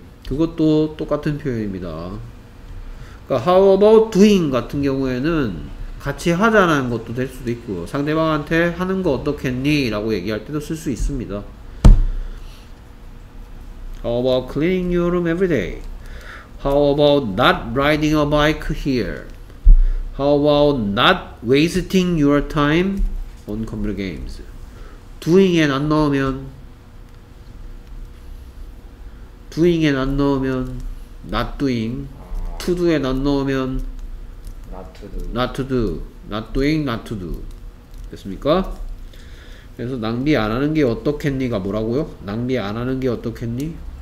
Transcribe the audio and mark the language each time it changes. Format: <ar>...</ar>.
<ko>그것도 똑같은 표현입니다. 그러니까</ko> <en>how about doing</en> <ko>같은 경우에는 같이 하자는 것도 될 수도 있고 상대방한테 하는 거 어떻겠니? 라고 얘기할 때도 쓸 수 있습니다.</ko> <en>How about cleaning your room every day? How about not riding a bike here? How about not wasting your time on computer games?</en> <ko>Doing에 안 넣으면 doing에 안 넣으면</ko> <en>not doing,</en> <ko>to do에 안 넣으면</ko> <en>not to do, not to do, not doing, not to do.</en> <ko>됐습니까? 그래서 낭비 안 하는 게 어떻겠니가 뭐라고요? 낭비 안 하는 게 어떻겠니?</ko>